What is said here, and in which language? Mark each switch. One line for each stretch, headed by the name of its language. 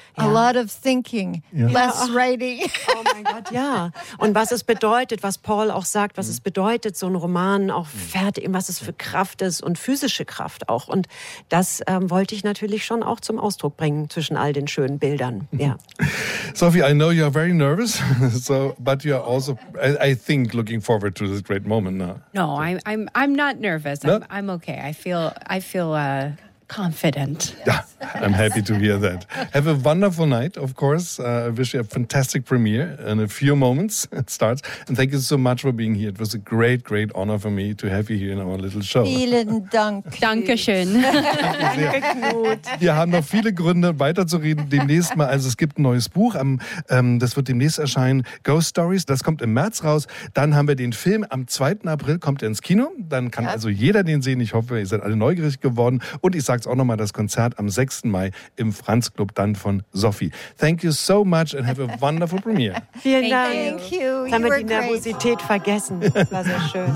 English: Ja. A lot of thinking, less writing.
German: Oh mein Gott, ja. Und was es bedeutet, was Paul auch sagt, was es bedeutet, so einen Roman auch fertig, was es für Kraft ist und physische Kraft auch. Und das wollte ich natürlich schon auch zum Ausdruck bringen zwischen all den schönen Bildern. Ja.
English: Sophie, I know you're very nervous, so, but you're also, I think, looking forward to this great moment now. No, I'm not nervous. No? I'm okay. I feel confident. Yeah, I'm happy to hear that. Have a wonderful night, of course. I wish you a fantastic premiere in a few moments. It starts. And thank you so much for being here. It was a great, great honor for me to have you here in our little show.
German: Vielen Dank. Dankeschön. Danke, Knut. Wir haben noch viele Gründe, weiterzureden. Demnächst mal, also es gibt ein neues Buch. Das wird demnächst erscheinen. Ghost Stories. Das kommt im März raus. Dann haben wir den Film. Am 2. April kommt er ins Kino. Dann kann also jeder den sehen. Ich hoffe, ihr seid alle neugierig geworden. Und ich sage auch nochmal das Konzert am 6. Mai im Franz Club, dann von Sophie.
English: Thank you so much and have a wonderful premiere.
German: Vielen Dank.
English: Thank you.
German: Jetzt haben wir die Nervosität vergessen. Das war so schön.